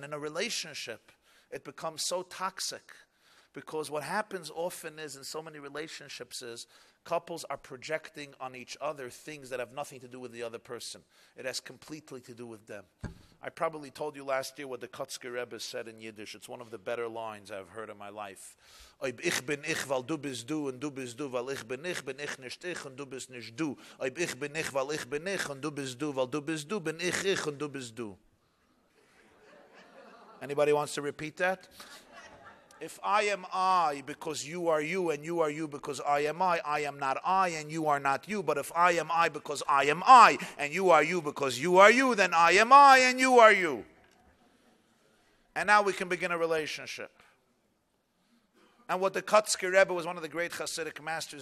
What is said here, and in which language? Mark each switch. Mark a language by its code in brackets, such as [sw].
[en] And in a relationship, it becomes so toxic because what happens often is in so many relationships is couples are projecting on each other things that have nothing to do with the other person. It has completely to do with them. I probably told you last year what the Kotzker Rebbe said in Yiddish. It's one of the better lines I've heard in my life. [de] Ich bin ich, weil du bist du, und du bist du, weil ich bin ich, bin ich nicht ich, und du bist nicht du. Ich bin ich, weil ich bin ich, und du, weil du bist du, bin ich ich, und du bist du. [en] Anybody wants to repeat that? If I am I because you are you and you are you because I am not I and you are not you. But if I am I because I am I and you are you because you are you, then I am I and you are you. And now we can begin a relationship. And what the Kotzker Rebbe was one of the great Hasidic masters.